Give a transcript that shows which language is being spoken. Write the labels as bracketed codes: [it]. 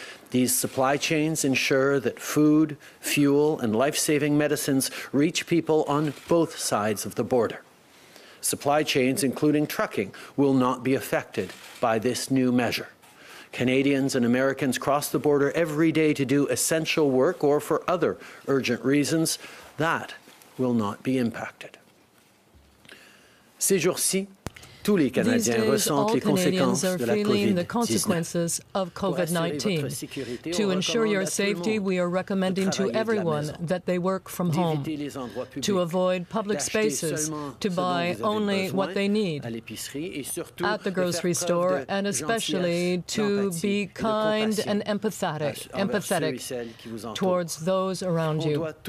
[en] These supply chains ensure that food, fuel, and life-saving medicines reach people on both sides of the border. Supply chains, including trucking, will not be affected by this new measure. Canadians and Americans cross the border every day to do essential work or for other urgent reasons. That will not be impacted. [fr] Ces jours-ci, tous les Canadiens ressentent les conséquences de la COVID-19. [en] These days, all Canadians are feeling the consequences of COVID-19. To ensure your safety, we are recommending to everyone that they work from home, to avoid public spaces, to buy only what they need at the grocery store, and especially to be kind and empathetic towards those around you.